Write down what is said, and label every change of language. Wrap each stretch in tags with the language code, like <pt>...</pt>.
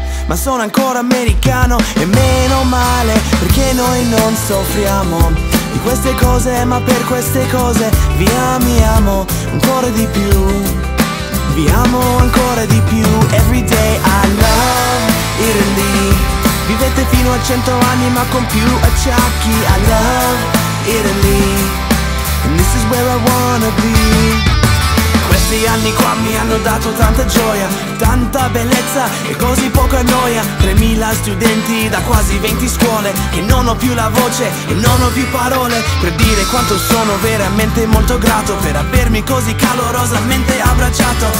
<it>Ma sono ancora americano e meno male, perché noi non soffriamo di queste cose, ma per queste cose vi amiamo ancora di più, vi amo ancora di più.</it> <en>Every day I love Italy,</en> <it>vivete fino a 100 anni ma con più acciacchi.</it> <en>I love Italy and this is where I wanna be.</en> <it>Questi anni qua mi hanno dato tanta gioia, tanta bellezza e così poca noia. 3000 studenti da quasi 20 scuole, che non ho più la voce e non ho più parole per dire quanto sono veramente molto grato per avermi così calorosamente abbracciato.</it>